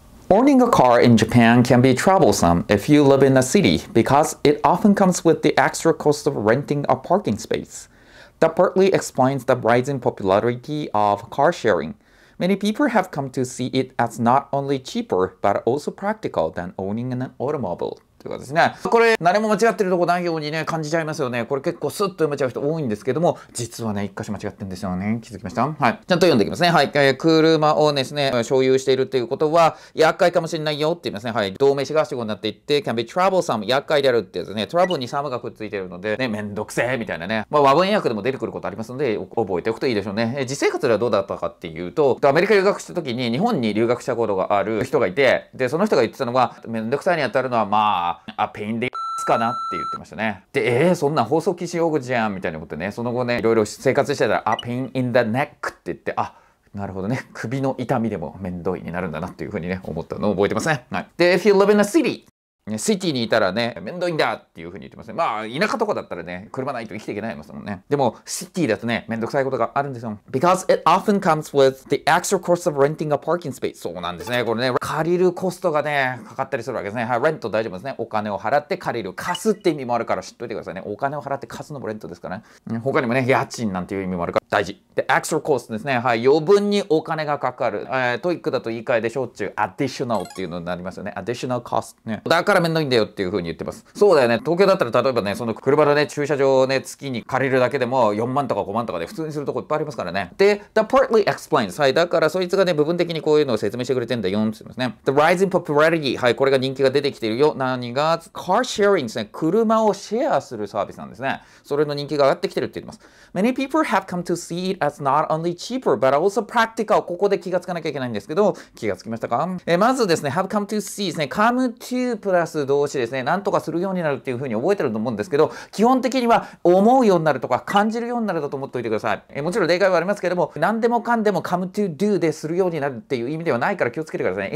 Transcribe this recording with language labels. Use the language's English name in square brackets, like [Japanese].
[English] Owning a car in Japan can be troublesome if you live in a city because it often comes with the extra cost of renting a parking space. That partly explains the rising popularity of car sharingMany people have come to see it as not only cheaper, but also practical than owning an automobile. [Japanese] ということですね。これ、何も間違ってるとこないようにね、感じちゃいますよね。これ結構スッと読めちゃう人多いんですけども、実はね、一箇所間違ってるんですよね。気づきました？はい。ちゃんと読んでいきますね。はい。車をですね、所有しているっていうことは、厄介かもしれないよって言いますね。はい。動名詞が主語になっていって、 [English] can be troublesome、 [Japanese] 厄介であるってやつね、トラブルにサムがくっついてるので、ね、めんどくせえみたいなね。まあ、和文訳でも出てくることありますので、覚えておくといいでしょうね。実生活ではどうだったかっていうと、アメリカ留学した時に、日本に留学したことがある人がいて、で、その人が言ってたのが、めんどくさいに当たるのは、まあ、あ、ペインでかなって言ってましたね。で、そんな放送禁止用語じゃんみたいに思ってね、その後ね、いろいろ生活してたら、あ、ペインインザネックって言って、あ、なるほどね、首の痛みでも面倒いになるんだなっていうふうにね、思ったのを覚えてますね。はい、で、 [English] If you live in a city、 [Japanese] シティにいたらね、面倒いんだっていうふうに言ってますね。まあ、田舎とかだったらね、車ないと生きていけないですもんね。でも、シティだとね、面倒くさいことがあるんですよ。 [English] Because it often comes with the extra cost of renting a parking space. [Japanese] そうなんですね。これね、借りるコストがね、かかったりするわけですね。はい、レント大丈夫ですね。お金を払って借りる。貸すって意味もあるから知っといてくださいね。お金を払って貸すのもレントですからね。他にもね、家賃なんていう意味もあるから大事。で、extra cost ですね。はい、余分にお金がかかる。トイックだと言い換えでしょっちゅう、additional っていうのになりますよね。 [English] additional cost ね。 [Japanese] だからめんどいんだよっていう風に言ってます。そうだよね、東京だったら例えばね、その車のね、駐車場をね、月に借りるだけでも4万とか5万とかで普通にするとこいっぱいありますからね。で、 [English] The partly explains、 [Japanese] はい、だからそいつがね、部分的にこういうのを説明してくれてんだよって言ってますね。 [English] The rising popularity、 [Japanese] はい、これが人気が出てきているよ。何が？ [English] Car sharing ですね。 [Japanese] 車をシェアするサービスなんですね。それの人気が上がってきてるって言ってます。 [English] Many people have come to see it as not only cheaper but also practical。 [Japanese] ここで気がつかなきゃいけないんですけど、気がつきましたか？まずですね、 [English] Have come to see [Japanese] ですね、 come to プラス動詞ですね、なんとかするようになるっていう風に覚えてると思うんですけど、基本的には思うようになるとか感じるようになるだと思っておいてください。もちろん例外はありますけれども、何でもかんでも [English] come to do [Japanese] でするようになるっていう意味ではないから気をつけてくださいね。